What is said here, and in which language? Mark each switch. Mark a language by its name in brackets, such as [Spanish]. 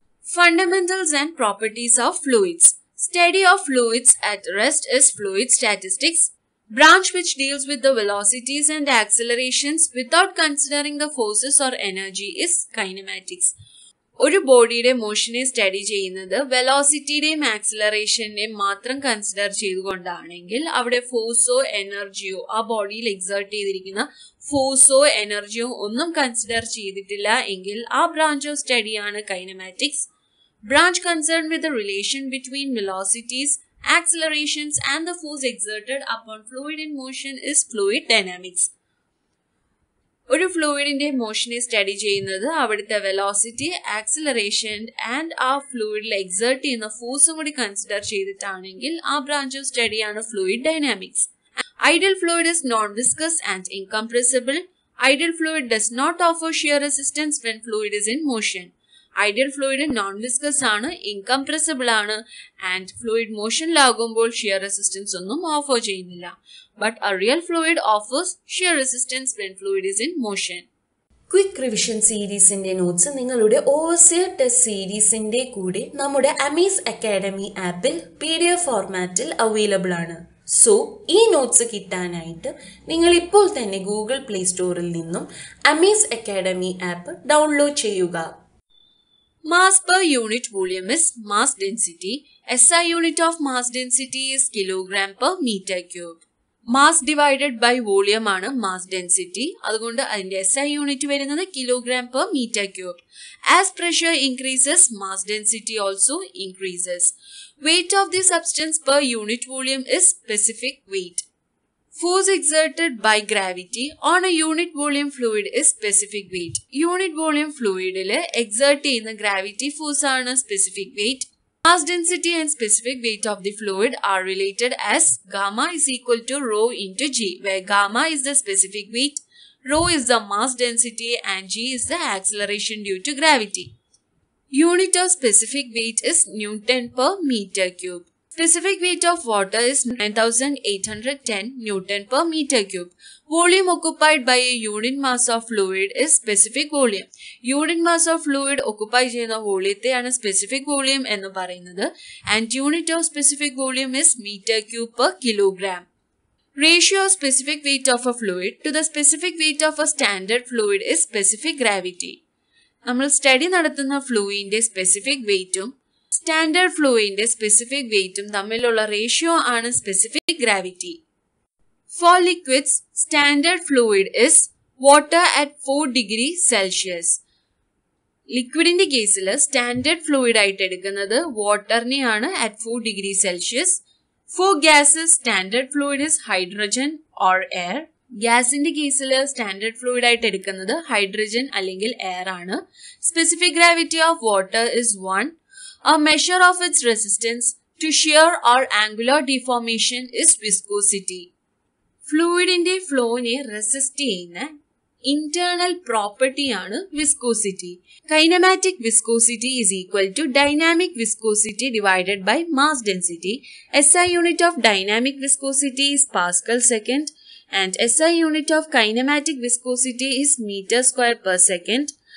[English] Fundamentals and properties of fluids. Study of fluids at rest is fluid statistics. Branch which deals with the velocities and accelerations without considering the forces or energy is kinematics. [Malayalam] ഒരു ബോഡിയുടെ മോഷനെ study ചെയ്യുന്നത് വെലോസിറ്റിയുടെയും ആക്സിലറേഷന്റെയും മാത്രം consider ചെയ്തുകൊണ്ടാണെങ്കിൽ അവിടെ ഫോഴ്സോ എനർജിയോ ആ ബോഡിയിൽ exert ചെയ്തിരിക്കുന്ന ഫോഴ്സോ എനർജിയോ ഒന്നും consider ചെയ്തിട്ടില്ല എങ്കിൽ ആ branch of സ്റ്റഡിയാണ് kinematics. [English] Branch concern with the relation between velocities accelerations and the force exerted upon fluid in motion is fluid dynamics. [Malayalam] ഒരു ഫ്ലൂയിഡിന്റെ മോഷനെ സ്റ്റഡി ചെയ്യുന്നത് അവിടുത്തെ വെലോസിറ്റി ആക്സിലറേഷൻ ആൻഡ് ആ ഫ്ലൂയിഡിൽ എക്സേർട്ട് ചെയ്യുന്ന ഫോഴ്സും കൂടി കൺസിഡർ ചെയ്തിട്ടാണെങ്കിൽ ആ branch of സ്റ്റഡിയാണ് fluid dynamics. [English] Ideal fluid is non viscous and incompressible. Ideal fluid does not offer shear resistance when fluid is in motion. [Malayalam] Ideal fluid non viscous ആണ്, incompressible ആണ് and fluid മോഷനിലാകുമ്പോൾ shear resistance ഒന്നും offer ചെയ്യുന്നില്ല. [English] But a real fluid offers shear resistance when fluid is in motion. Quick revision series in the notes നിങ്ങളുടെ overseer test series in the [Malayalam] കൂടെ നമ്മുടെ Amaze Academy ആപ്പിൽ PDF ഫോർമാറ്റിൽ available ആണ്. So ഈ notes കിട്ടാനായിട്ട് നിങ്ങൾ ഇപ്പോൾ തന്നെ ഗൂഗിൾ പ്ലേ സ്റ്റോറിൽ നിന്നും Amaze Academy ആപ്പ് ഡൗൺലോഡ് ചെയ്യുക. [English] Mass per unit volume is mass density. SI unit of mass density is kilogram per meter cube. [Malayalam] Mass divided by volume ആണ് മാസ് ഡെൻസിറ്റി. അതുകൊണ്ട് അതിന്റെ എസ് ഐ യൂണിറ്റ് വരുന്നത് kilogram per metre cube. [English] As pressure increases mass density also increases. Weight of the substance per unit volume is specific weight. Force exerted by gravity on a unit volume fluid is specific weight. [Malayalam] Unit volume ഫ്ലൂയിഡിൽ exert ചെയ്യുന്ന gravity force ആണ് specific weight. [English] Mass density and specific weight of the fluid are related as gamma is equal to rho into g, where gamma is the specific weight, rho is the mass density and g is the acceleration due to gravity. Unit of specific weight is newton per meter cube. Specific weight of water is 9810 newton per meter cube. Volume occupied by a unit mass of fluid is specific volume. Unit mass of fluid occupy [Malayalam] ചെയ്യുന്ന വോളിയത്തെയാണ് specific volume എന്ന് പറയുന്നത്. [English] And unit of specific volume is meter cube per kilogram. Ratio of specific weight of a fluid to the specific weight of a standard fluid is specific gravity. [Malayalam] നമ്മൾ study നടത്തുന്ന ഫ്ലൂയിഡിന്റെ specific വെയ്റ്റും standard ഫ്ലൂയിഡിന്റെ specific വെയ്റ്റും തമ്മിലുള്ള ratio ആണ് specific gravity. [English] For liquids standard fluid is water at 4°C. [Malayalam] ലിക്വിഡിന്റെ കേസിൽ standard fluid ആയിട്ട് എടുക്കുന്നത് വാട്ടറിനെയാണ് at 4°C. [English] For gases standard fluid is hydrogen or air. [Malayalam] ഗ്യാസിന്റെ കേസിൽ standard fluid ആയിട്ട് എടുക്കുന്നത് ഹൈഡ്രജൻ അല്ലെങ്കിൽ എയർ ആണ്. [English] Specific gravity of water is 1. A measure of its resistance to shear or angular deformation is viscosity. [Malayalam] ഫ്ലൂയിഡിന്റെ ഫ്ലോനെ resist ചെയ്യുന്ന internal property ആണ് viscosity. [English] Kinematic viscosity is equal to dynamic viscosity divided by mass density. S I unit of dynamic viscosity is pascal second and S I unit of kinematic viscosity is metre square per second.